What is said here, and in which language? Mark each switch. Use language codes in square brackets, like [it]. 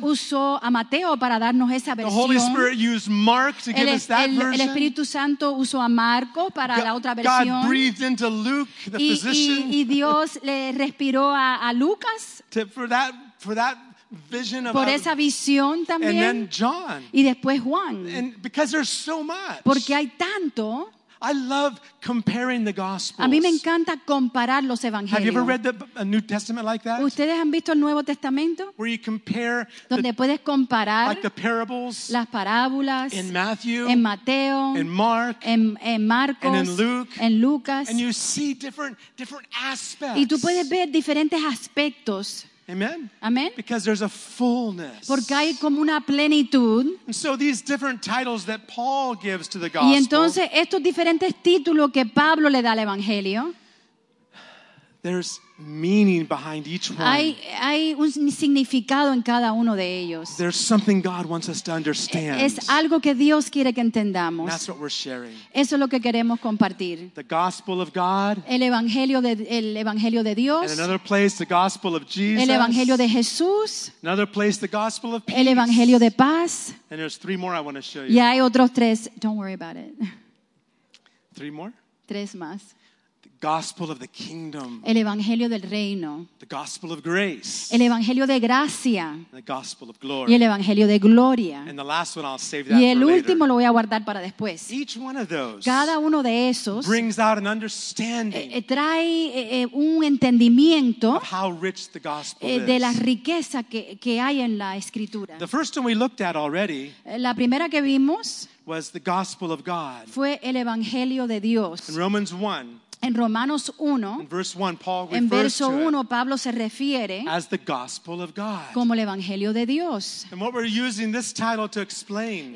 [es] Dios usó a Mateo para darnos esa versión. [en] The Holy Spirit used Mark to give us that version. [es] El Espíritu Santo usó a Marco para la otra versión. [en] God breathed into Luke, the physician. [es] Y Dios le respiró a Lucas. [en] For that vision [es] por esa visión también. [en] And then John. [es] Y después Juan. [en] And because there's so much. [es] Porque hay tanto. [en] I love comparing the gospels. [es] A mí me encanta comparar los evangelios. [en] Have you ever read a New Testament like that? [es] ¿Ustedes han visto el Nuevo Testamento? [en] Where you compare [es] donde puedes comparar [en] like the parables, [es] las parábolas [en] in Matthew, [es] en Mateo, [en] in Mark, [es] en Marcos, [en] and in Luke, [es] en Lucas. [en] And you see different aspects. [es] Y tú puedes ver diferentes aspectos. [en] Amen. [es] Amen. [en] Because there's a fullness. [es] Porque hay como una plenitud. [en] And so these different titles that Paul gives to the gospel. [es] Y entonces estos diferentes títulos que Pablo le da al evangelio. [en] There's meaning behind each one. [es] Hay un significado en cada uno de ellos. [en] There's something God wants us to understand. [es] Es algo que Dios quiere que entendamos. [en] And that's what we're sharing. [es] Eso es lo que queremos compartir. [en] The gospel of God. [es] El evangelio de Dios. [en] And another place, the gospel of Jesus. [es] El evangelio de Jesús. [en] Another place, the gospel of peace. [es] El evangelio de paz. [en] And there's three more I want to show you. [es] Y hay otros tres. [en] Don't worry about it. Three more? [es] Tres más. [en] Gospel of the kingdom. [es] El evangelio del reino. [en] The gospel of grace. [es] El evangelio de gracia. [en] The gospel of glory. [es] Y el evangelio de gloria. [en] And the last one, I'll save that. [es] Y el [en] for [es] último [en] later. [es] Lo voy a guardar para después. [en] Each one of those. [es] Cada uno de esos. [en] Brings out an understanding. [es] Trae un entendimiento. [en] Of how rich the gospel is. [es] De la riqueza que hay en la escritura. [en] The first one we looked at already. [es] La primera que vimos. [en] Was the gospel of God. [es] Fue el evangelio de Dios. [en] In Romans 1. [es] En Romanos 1, [en] in verse 1, Paul [es] en verso 1, Pablo se refiere [en] as the gospel of God. [es] Como el evangelio de Dios. [en] And what we're using this title to explain